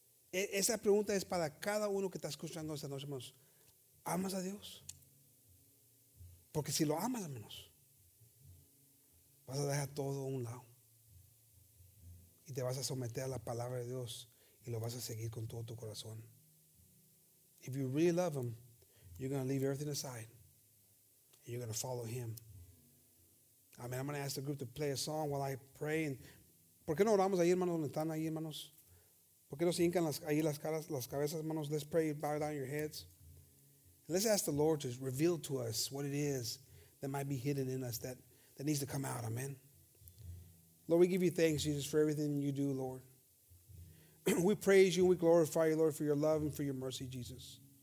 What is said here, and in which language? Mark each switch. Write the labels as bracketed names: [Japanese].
[Spanish] Esa pregunta es para cada uno que está escuchando esta noche, hermanos. ¿Amas a Dios? Porque si lo amas, hermanos, vas a dejar todo a un lado y te vas a someter a la palabra de Dios y lo vas a seguir con todo tu corazón. [English] If you really love him, you're going to leave everything aside and you're going to follow him. Amen. I'm going to ask the group to play a song while I pray. [Spanish] And ¿por qué no oramos ahí, hermanos, donde están ahí, hermanos? ¿Por qué no se hincan ahí las cabezas, hermanos? [English] Let's pray, bow down your heads. And let's ask the Lord to reveal to us what it is that might be hidden in us that needs to come out, amen. Lord, we give you thanks, Jesus, for everything you do, Lord. We praise you and we glorify you, Lord, for your love and for your mercy, Jesus.